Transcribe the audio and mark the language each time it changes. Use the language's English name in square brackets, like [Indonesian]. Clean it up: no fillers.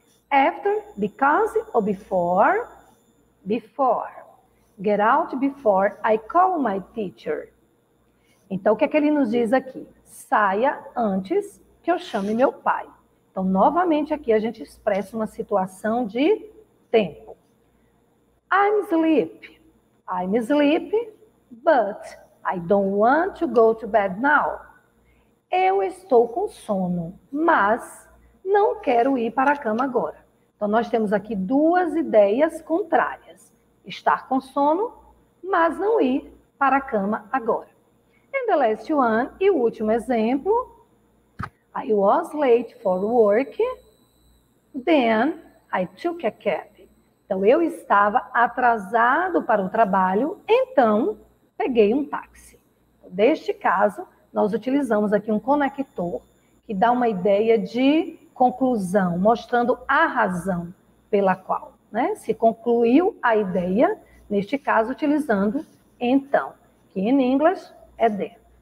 [English] After, because, or before? Before. Get out before I call my teacher. [Portuguese] Então, o que é que ele nos diz aqui? Saia antes que eu chame meu pai. Então, novamente aqui a gente expressa uma situação de tempo. [English] I'm asleep. I'm asleep, but I don't want to go to bed now. [Portuguese] Eu estou com sono, mas não quero ir para a cama agora. Então, nós temos aqui duas ideias contrárias. Estar com sono, mas não ir para a cama agora. [English] And the last one, [Portuguese] e o último exemplo. [English] I was late for work, then I took a cab. [Portuguese] Então, eu estava atrasado para o trabalho, então peguei um táxi. Neste caso, nós utilizamos aqui um conector que dá uma ideia de conclusão, mostrando a razão pela qual, né, se concluiu a ideia, neste caso utilizando então, que [English] in English [Portuguese] é there.